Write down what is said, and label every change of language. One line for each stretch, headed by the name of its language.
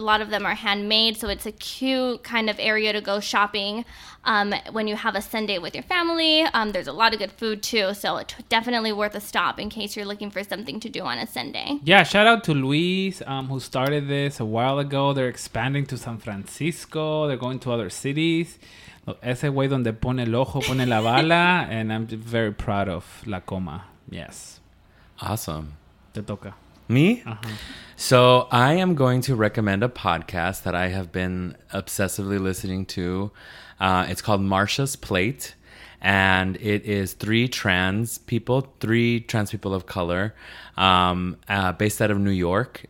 English: A lot of them are handmade, so it's a cute kind of area to go shopping when you have a Sunday with your family. There's a lot of good food, too, so definitely worth a stop in case you're looking for something to do on a Sunday. Yeah, shout out to Luis, who started this a while ago. They're expanding to San Francisco. They're going to other cities.
Spanish: Ese güey donde pone el ojo, pone la bala.
English: And I'm very proud of La Coma. Yes. Awesome.
Spanish: Te toca.
English: Me? So I am going to recommend a podcast that I have been obsessively listening to. It's called Marsha's Plate. And it is three trans people of color, based out of New York.